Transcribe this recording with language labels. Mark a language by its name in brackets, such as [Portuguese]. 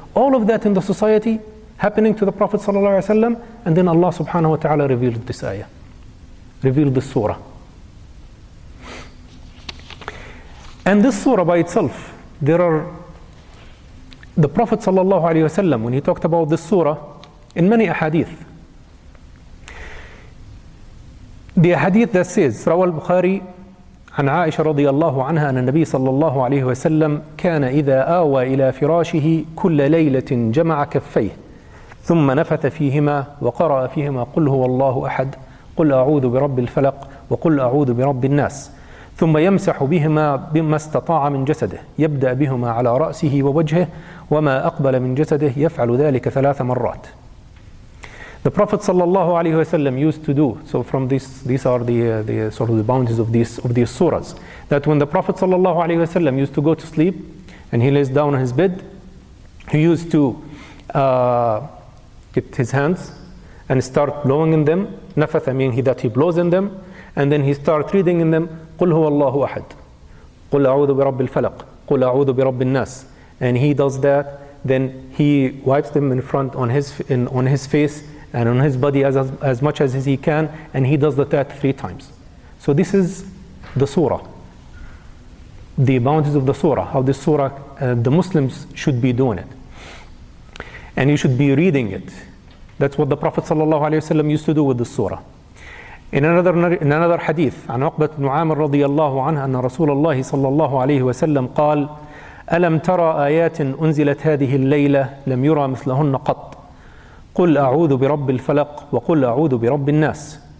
[English] All of that in the society, happening to the Prophet sallallahu alaihi wasallam, and then Allah subhanahu wa ta'ala revealed this ayah, revealed this surah. And this surah by itself, there are the Prophet sallallahu alaihi wasallam, when he talked about this surah in many ahadith. The ahadith that says, [Arabic] رواه البخاري عن عائشة رضي الله عنها أن النبي صلى الله عليه وسلم كان إذا آوى إلى فراشه كل ليلة جمع كفيه ثم نفث فيهما وقرأ فيهما قل هو الله أحد قل أعوذ برب الفلق وقل أعوذ برب الناس ثم يمسح بهما بما استطاع من جسده يبدأ بهما على رأسه ووجهه وما أقبل من جسده يفعل ذلك ثلاث مرات. [English] The Prophet sallallahu alaihi wasallam used to do so. From these are the sort of the boundaries of these surahs, that when the Prophet sallallahu alaihi wasallam used to go to sleep and he lays down on his bed, he used to get his hands and start blowing in them. Nafatha meaning that he blows in them, and then he start reading in them [Arabic] قُلْ هُوَ اللَّهُ أَحَدٌ قُلْ أَعُوذُ بِرَبِّ الْفَلَقِ قُلْ أَعُوذُ بِرَبِّ النَّاسِ. [English] And he does that, then he wipes them in front on his face and on his body as much as he can, and he does that three times. So this is the surah, the boundaries of the surah, how this surah, the Muslims should be doing it. And you should be reading it. That's what the Prophet sallallahu alaihi wasallam used to do with the surah. In another hadith, [Arabic] عن عقبة بن عامر رضي الله عنه أن رسول الله صلى الله عليه وسلم قال ألم ترى آيات أنزلت هذه الليلة لم يرى مثلهن قط قل أعوذ برب الفلق وقل أعوذ برب الناس.